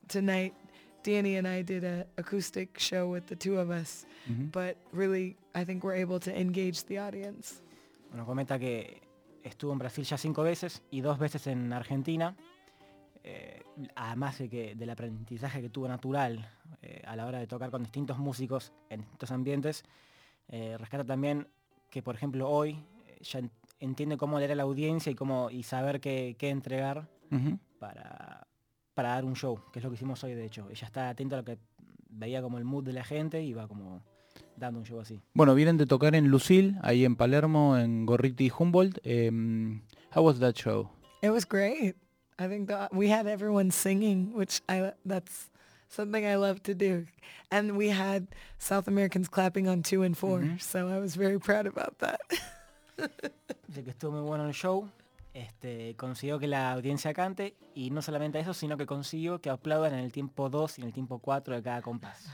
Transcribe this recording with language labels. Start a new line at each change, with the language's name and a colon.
English: Tonight Danny and I did an acoustic show with the two of us, mm-hmm. but really I think we're able to engage the audience.
Spanish: Bueno, comenta que estuvo en Brasil ya 5 veces y 2 veces en Argentina. Además de que del aprendizaje que tuvo natural a la hora de tocar con distintos músicos en distintos ambientes, rescata también que, por ejemplo, hoy ya entiende cómo leer a la audiencia y saber qué entregar, uh-huh. para dar un show, que es lo que hicimos hoy, de hecho. Ella está atenta a lo que veía como el mood de la gente y va como dando un show así. Bueno, vienen de tocar en Lucille, ahí en Palermo, en Gorriti y Humboldt.
English: How was that show? It was great. I think we had everyone singing, that's something I love to do. And we had South Americans clapping on 2 and 4, mm-hmm. so I was very proud about that.
Spanish: Dice que estuvo muy bueno el show, consiguió que la audiencia cante, y no solamente eso, sino que consiguió que aplaudan en el tiempo 2 y en el tiempo 4 de cada compás.